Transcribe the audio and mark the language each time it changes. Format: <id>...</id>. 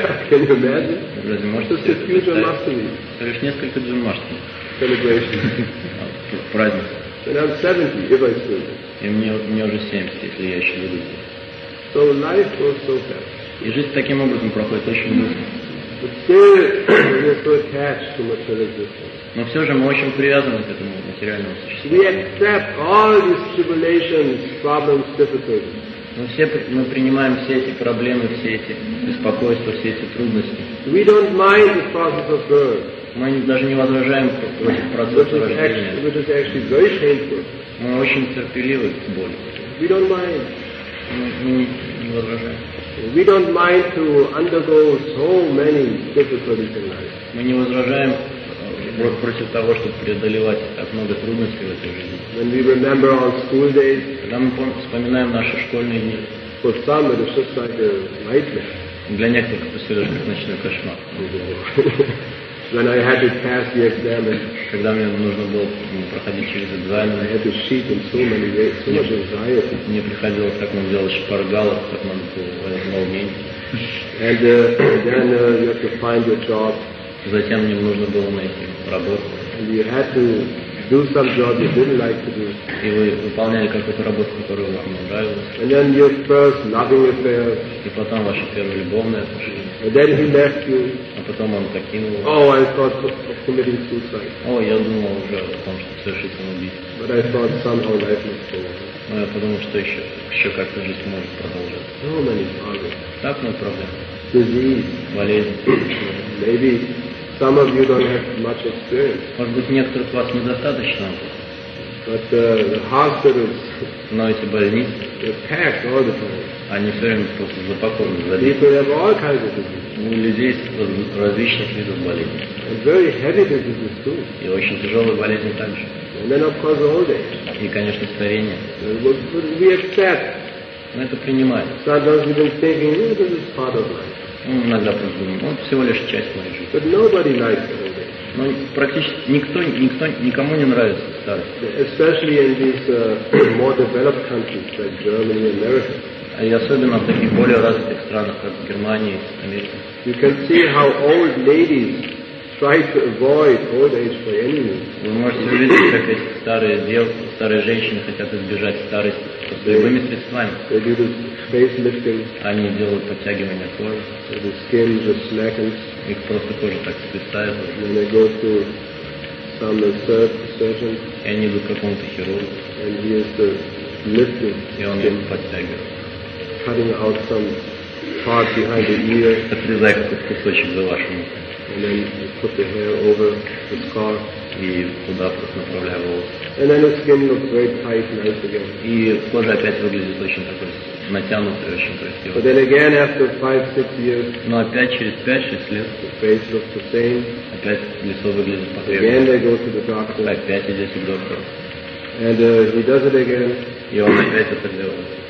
<en>Can you imagine?</en> <ru>Разве можете себе это представить? Всего лишь несколько Janmashtami.</ru> <en>Celebration.</en> <ru>Праздник.</ru> <en>And I'm 70 if I still.</en> <ru>И мне уже 70, если я еще буду.</ru> <en>So life goes so fast.</en> <ru>И жизнь таким образом проходит очень быстро.</ru> <en>But still, we are so attached to material existence.</en> <ru>Но все же мы очень привязаны к этому материальному существу.</ru> <en>We accept all these tribulations, problems, difficulties.</en> <ru>Мы принимаем все эти проблемы, все эти беспокойства, все эти трудности.</ru> <en>We don't mind the process of birth.</en> <ru>Мы даже не возражаем против процесса рождения.</ru> <en>Which is actually very painful.</en> <ru>Мы очень терпеливы к боли.</ru> <en>We don't mind.</en> <ru>Мы не возражаем.</ru> <en>We don't mind to undergo so many difficulties in life.</en> <ru>Мы не возражаем против того, чтобы преодолевать так много трудностей в этой жизни.</ru> <en>When we remember our school days,</en> <ru>когда мы вспоминаем наши школьные дни,</ru> <en>for some it is just like a nightmare.</en> <ru>Для некоторых это все же как ночной кошмар.</ru> <en>When I had to pass the exam,</en> <ru>когда мне нужно было проходить через экзамен,</ru> <en>I had to sit in so many ways, so much anxiety.</en> <ru>Мне приходилось так много делать шпаргалов, так много волнений.</ru> <en>And then you have to find your job.</en> <ru>Затем мне нужно было найти работу.</ru> <en>And you had to do some job you didn't like to do.</en> <ru>И вы выполняли какую-то работу, которую вам не нравилась.</ru> <en>And then your first loving affair.</en> <ru>И потом ваше первое любовное отношение.</ru> <en>And then he left you.</en> <ru>А потом он покинул.</ru> <en>Oh, I thought of committing suicide.</en> <ru>О, я думал уже о том, что совершить самоубийство.</ru> <en>But I thought somehow life must go on.</en> <ru>Но я подумал, что еще как-то жизнь может продолжаться.</ru> <en>So many problems.</en> <ru>Так много проблем.</ru> <en>Disease.</en> <ru>Болезнь.</ru> <en>Maybe some of you don't have much experience.</en> <ru>Может быть, некоторых у вас недостаточно.</ru> <en>But the hospitals.</en> <ru>Но эти больницы.</ru> <en>They're packed all the time.</en> <ru>Они все время просто запакованы.</ru> <en>People have all kinds of diseases.</en> <ru>У людей различных видов болезней.</ru> <en>Very heavy diseases too.</en> <ru>И очень тяжелые болезни также.</ru> <en>And then of course old age.</en> <ru>И, конечно, старение.</ru> <en>But we accept.</en> <ru>Мы это принимаем.</ru> <en>Sometimes we've been thinking, oh, this is part of life.</en> <ru>Иногда просто думаем, он всего лишь часть моей жизни.</ru> <en>But nobody likes old age.</en> <ru>Но практически никому не нравится старость.</ru> <en>Especially in these more developed countries like Germany and America.</en> <ru>И особенно в таких более развитых странах, как Германия и Америка.</ru> <en>You can see how old ladies try to avoid old age by any means.</en> <ru>Вы можете увидеть, как эти старые женщины хотят избежать старости любыми средствами.</ru> <en>They do the face lifting.</en> <ru>Они делают подтягивания кожи.</ru> <en>So the skin just slackens.</en> <ru>Их просто кожа так свисает.</ru> <en>Then they go to some surgeon.</en> <ru>И они идут к какому-то хирургу.</ru> <en>And he is the lifting.</en> <ru>И он их подтягивает.</ru> <en>Cutting out some part behind the ear.</en> <ru>Отрезая какой-то кусочек за вашим ухом.</ru> <en>And then you put the hair over the scar.</en> <ru>И туда просто направляя волосы.</ru> <en>And then the skin looks very tight, nice again.</en> <ru>И кожа опять выглядит очень такой натянутой, очень красивой.</ru> <en>But then again, after 5-6 years.</en> <ru>Но опять через 5-6 лет.</ru> <en>The face looks the same.</en> <ru>Опять лицо выглядит по-прежнему.</ru> <en>Again, they go to the doctor.</en> <ru>Опять идете к доктору.</ru> <en>And he does it again.</en> <ru>И он опять это делает.</ru>